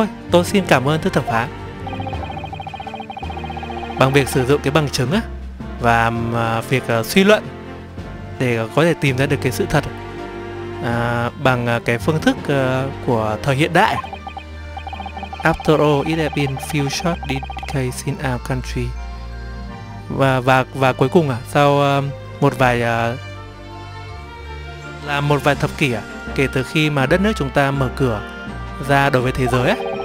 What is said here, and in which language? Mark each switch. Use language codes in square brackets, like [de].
[vi] Tôi xin cảm ơn thưa thẩm phán. Bằng việc sử dụng cái bằng chứng á và việc suy luận để có thể tìm ra được cái sự thật bằng cái phương thức của thời hiện đại. [en] After all, it has been few short decades in our country. [vi] Và cuối cùng sau một vài thập kỷ kể từ khi mà đất nước chúng ta mở cửa ra đối với thế giới ấy.